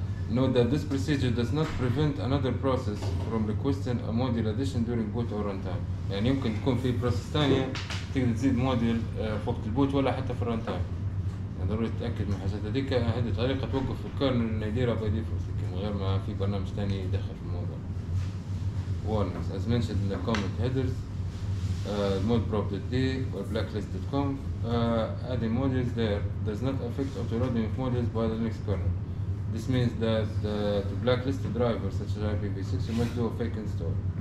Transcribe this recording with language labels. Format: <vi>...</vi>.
<en>Note that this procedure does not prevent another process from requesting a module addition during boot or runtime.</en> <ar>يعني يمكن تكون في process تانية تقدر تزيد module في وقت البوت ولا حتى في الرانتايم. يعني ضروري تتأكد من حاجات هذيك. هذه طريقة توقف الكرنل إنه يديرها باي ديفولت من غير ما في برنامج تاني يدخل في الموضوع.</ar> <en>Warnings as mentioned in the comment headers. Modeprop.d or blacklist.com. Adding modules there does not affect auto-loading of modules by the Linux kernel. This means that to blacklist a driver such as IPv6, you must do a fake install.</en>